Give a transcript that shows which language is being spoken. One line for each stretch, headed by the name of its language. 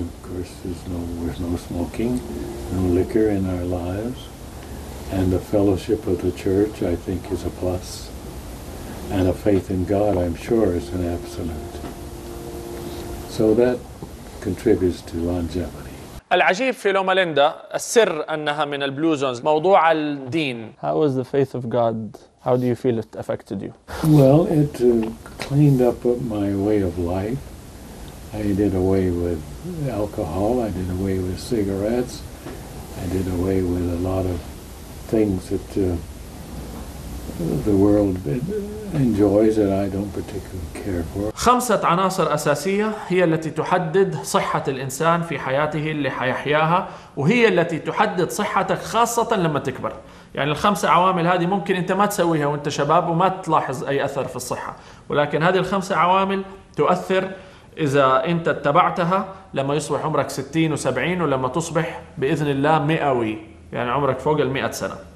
English: Of course, there's no smoking, no liquor in our lives, and the fellowship of the church, I think, is a plus. And a faith in God, I'm sure, is an absolute. So that contributes to longevity.
Arabic: العجيب في لوما ليندا السر أنها من البلو زونز موضوع الدين.
English: How is the faith of God? How do you feel it affected you? Well, it cleaned up my way of life. I did away with alcohol. I did away with cigarettes. I did away with a lot of things that the world enjoys that I don't particularly care for.
Arabic: خمسة عناصر أساسية هي التي تحدد صحة الإنسان في حياته اللي حيحياها وهي التي تحدد صحتك خاصة لما تكبر. يعني الخمسة عوامل هذه ممكن أنت ما تسويها وأنت شباب وما تلاحظ أي أثر في الصحة، ولكن هذه الخمسة عوامل تؤثر إذا أنت اتبعتها لما يصبح عمرك 60 و70 ولما تصبح بإذن الله مئوي، يعني عمرك فوق 100 سنة.